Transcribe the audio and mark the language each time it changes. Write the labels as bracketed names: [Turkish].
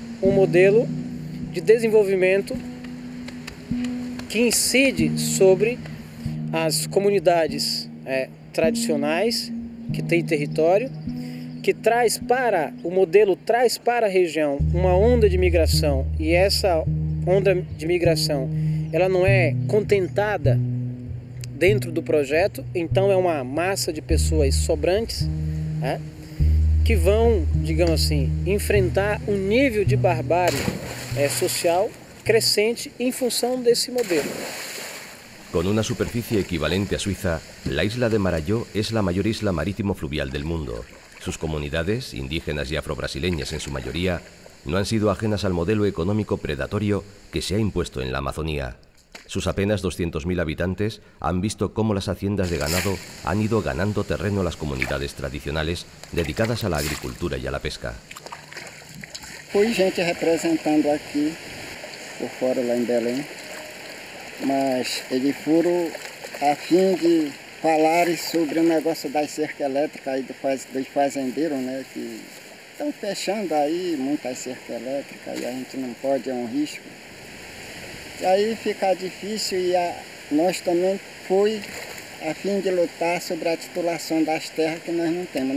[Portuguese] Um modelo de desenvolvimento que incide sobre as comunidades tradicionais que têm território, que traz para a região uma onda de migração, e essa onda de migração ela não é contentada dentro do projeto, então é uma massa de pessoas sobrantes que vão, digamos assim, enfrentar um nível de barbárie social crescente em função desse modelo. [Spanish] Con una superficie equivalente a Suiza, la isla de Marajó es la mayor isla marítimo fluvial del mundo. Sus comunidades, indígenas y afrobrasileñas en su mayoría, no han sido ajenas al modelo económico predatorio que se ha impuesto en la Amazonía. Sus apenas 200.000 habitantes han visto cómo las haciendas de ganado han ido ganando terreno a las comunidades tradicionales dedicadas a la agricultura y a la pesca. [Portuguese] Fui gente representando aquí, por fuera, lá en Belém. Mas eles foram a fim de falar sobre o negócio das cercas elétricas aí dos fazendeiros, né? Que estão fechando aí muitas cercas elétricas e a gente não pode, é um risco. E aí fica difícil e nós também fui a fim de lutar sobre a titulação das terras que nós não temos.